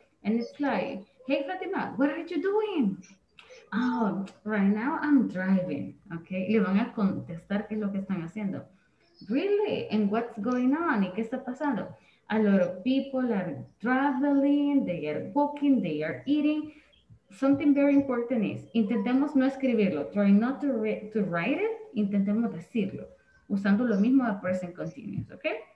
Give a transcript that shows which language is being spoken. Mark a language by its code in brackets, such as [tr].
[en] And it's like, hey, Fatima, what are you doing? Oh, right now I'm driving. [es] Ok, le van a contestar qué es lo que están haciendo. [en] Really? And what's going on? [es] ¿Y qué está pasando? [en] A lot of people are traveling, they are walking, they are eating. Something very important is, [es] intentemos no escribirlo. [en] Try not to, to write it. [es] Intentemos decirlo. Usando lo mismo a present continuous, ok?